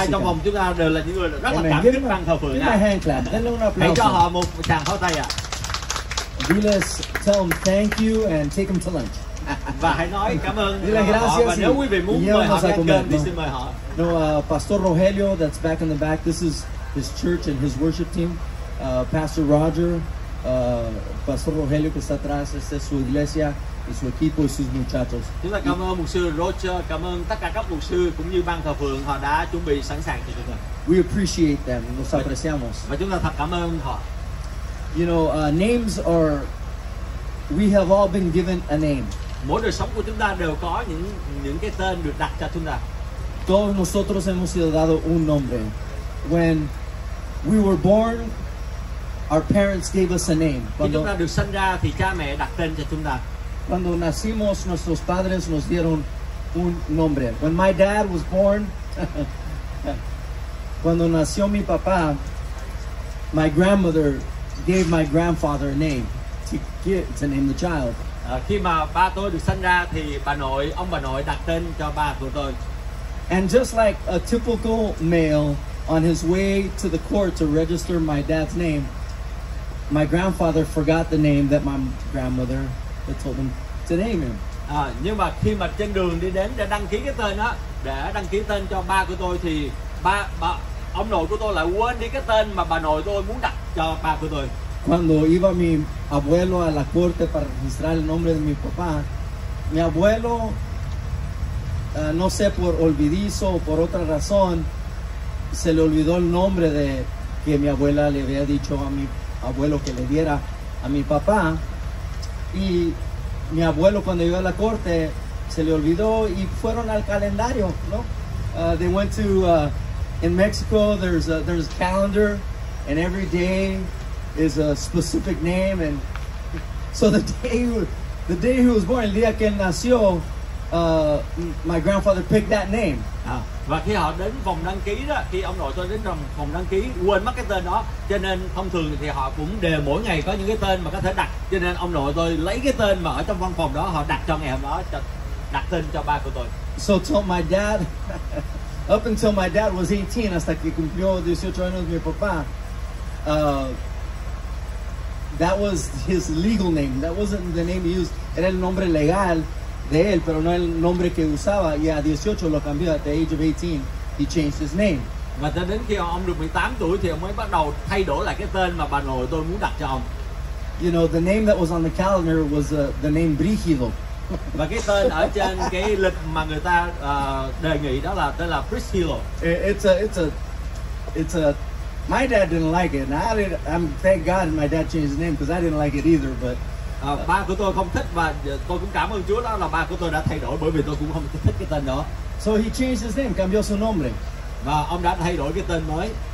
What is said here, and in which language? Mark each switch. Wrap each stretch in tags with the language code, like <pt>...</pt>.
<vi>Ai trong phòng chúng ta đều là những người rất là cảm kích băng thờ phượng.</vi> <en>Give them a hand clap.</en> <es>Denle un aplauso.</es> <vi>Hãy cho họ một tràng pháo tay ạ.</vi> <es>Diles,</es> <en>tell them thank you and take them to lunch.</en> <vi>Và hãy nói cảm ơn.</vi> <es>Diles, gracias.</es> <vi>Nếu quý vị muốn mời họ ăn cơm, thì xin mời họ.</vi> <en>No, Pastor Rogelio, that's back in the back. This is his church and his worship team. Pastor Roger.</en> <es>Pastor Rogelio que está atrás, esta es su iglesia y su equipo y sus muchachos.</es> <vi>Chúng ta cảm ơn mục sư Roger, cảm ơn tất cả các mục sư cũng như ban thờ phượng, họ đã chuẩn bị sẵn sàng cho chúng ta.</vi> <en>We appreciate them,</en> <es>nos apreciamos.</es> <vi>Và chúng ta thật cảm ơn họ.</vi> <en>You know, names are, we have all been given a name.</en> <vi>Mỗi đời sống của chúng ta đều có những cái tên được đặt cho chúng ta.</vi> <es>Todos nosotros hemos sido dado un nombre.</es> <en>When we were born, our parents gave us a name.</en> <es>Cuando,</es> <vi>chúng ta được sinh ra thì cha mẹ đặt tên cho chúng ta.</vi> <es>Cuando nacimos, nuestros padres nos dieron un nombre.</es> <en>When my dad was born,</en> <es>cuando nació mi papá,</es> <en>my grandmother gave my grandfather a name to name the child.</en> <vi>Khi mà ba tôi được sinh ra thì ông bà nội đặt tên cho ba của tôi.</vi> <en>And just like a typical male, On his way to the court to register my dad's name, my grandfather forgot the name that my grandmother had told him to name him.</en> <vi>À, nhưng mà khi mà trên đường đi đến để đăng ký cái tên á, để đăng ký tên cho ba của tôi thì ba ông nội của tôi lại quên đi cái tên mà bà nội tôi muốn đặt cho ba của tôi.</vi> <es>Cuando iba mi abuelo a la corte para registrar el nombre de mi papá, mi abuelo, no sé por olvidizo o por otra razón, se le olvidó el nombre de que mi abuela le había dicho a mi abuelo que le diera a mi papá. Y mi abuelo, cuando iba a la corte, se le olvidó y fueron al calendario, ¿no?</es> <en>They went to, in Mexico, there's a calendar, and every day is a specific name. And so the day he was born,</en> <es>el día que nació,</es> <en>my grandfather picked that name.</en> <vi>Và khi họ đến phòng đăng ký đó, khi ông nội tôi đến phòng đăng ký, quên mất cái tên đó. Cho nên thông thường thì họ cũng đều mỗi ngày có những cái tên mà có thể đặt. Cho nên ông nội tôi lấy cái tên mà ở trong văn phòng đó, họ đặt cho ngày hôm đó, đặt tên cho ba của tôi.</vi> <en>So told my dad, up until my dad was 18,</en> <es>hasta que cumplió 18 años mi papá,</es> <en>that was his legal name. That wasn't the name he used.</en> <es>Era el nombre legal de él, pero no el nombre que usaba. Y a 18 lo cambió.</es> <en>At the age of 18, he changed his name.</en> <vi>Và cho đến khi ông được 18 tuổi thì ông mới bắt đầu thay đổi lại cái tên mà bà nội tôi muốn đặt cho ông.</vi> <en>You know, the name that was on the calendar was the name Brígido.</en> <vi>Và cái tên ở trên cái lịch mà người ta đề nghị đó là tên là Brígido.</vi> <en>It's a My dad didn't like it, and I'm thank God my dad changed his name because I didn't like it either. But</en> <vi>ba của tôi không thích, và tôi cũng cảm ơn Chúa đó là ba của tôi đã thay đổi, bởi vì tôi cũng không thích cái tên đó.</vi> <en>So he changed his name,</en> <es>cambió su nombre.</es> <vi>Và ông đã thay đổi cái tên mới.</vi>